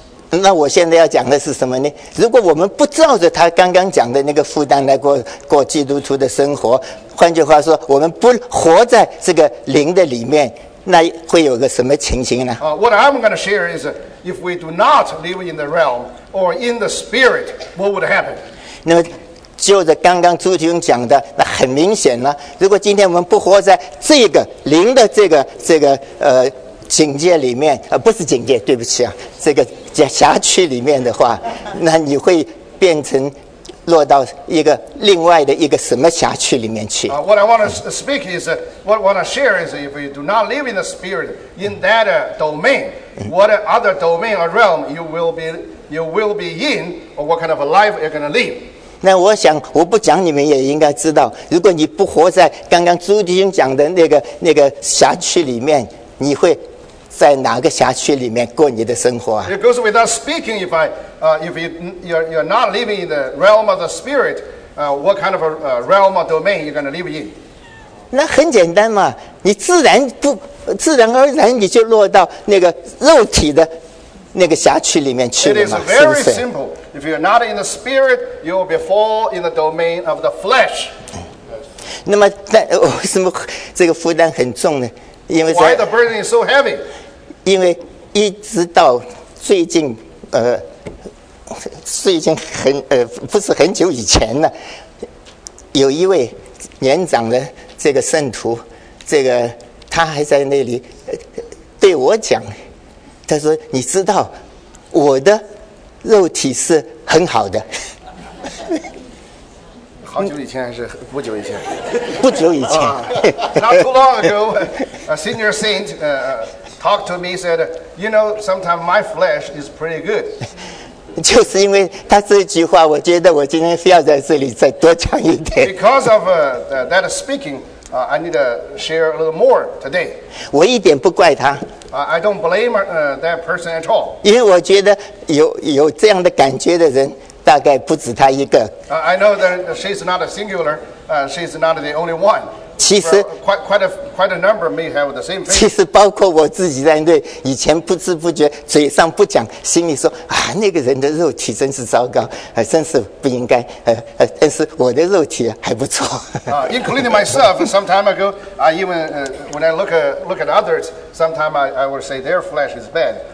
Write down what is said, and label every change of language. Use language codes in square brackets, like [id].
[zh] 那我现在要讲的是什么呢？如果我们不照着他刚刚讲的那个负担来过基督徒的生活，换句话说，我们不活在这个灵的里面，那会有个什么情形呢？ [en] What I'm going to share is, if we do not live in the realm or in the spirit, what would happen? [zh] 那么就着刚刚朱弟兄讲的，那很明显了。如果今天我们不活在这个灵的这个警戒里面，不是警戒，对不起啊，这个辖区里面的话，那你会变成落到一个另外的一个什么辖区里面去？ [en] What I want to speak is, what I want to share is, if you do not live in the spirit in that domain, what other domain or realm you will be in, or what kind of a life you're going to live? [zh] 那我想我不讲你们也应该知道，如果你不活在刚刚朱弟兄讲的那个辖区里面，你会在哪个辖区里面过你的生活啊？ [en] It goes without speaking, if you're not living in the realm of the spirit, what kind of a realm or domain you're going to live in? [zh] 那很简单嘛，你自然而然你就落到那个肉体的那个辖区里面去了嘛，是不是？ [en] It is very simple. If you are not in the spirit, you will be fall in the domain of the flesh. [zh] 那么，但为什么这个负担很重呢？因为 [en] Why the burden is so heavy? [zh] 因为一直到最近，最近很不是很久以前呢，有一位年长的这个圣徒，这个他还在那里对我讲，他说：“你知道我的肉体是很好的。” 好久以前还是不久以前？不久以前。 [en] Not too long ago, a senior saint talked to me said, "You know, sometimes my flesh is pretty good." [zh] 就是因为他这句话，我觉得我今天非要在这里再多讲一点。 [en] Because of that speaking. I need to share a little more today. [zh] 我一点不怪他。 [en] I don't blame that person at all. [zh] 因为我觉得有这样的感觉的人，大概不止他一个。 [en] I know that she's not a singular. She's not the only one. [zh] 其实 [en] quite a number may have the same. [zh] 其实包括我自己在内，以前不知不觉嘴上不讲，心里说啊，那个人的肉体真是糟糕，真是不应该。但是我的肉体还不错。 [en] Including myself, some time ago, I even when I look at others, sometimes I would say their flesh is bad.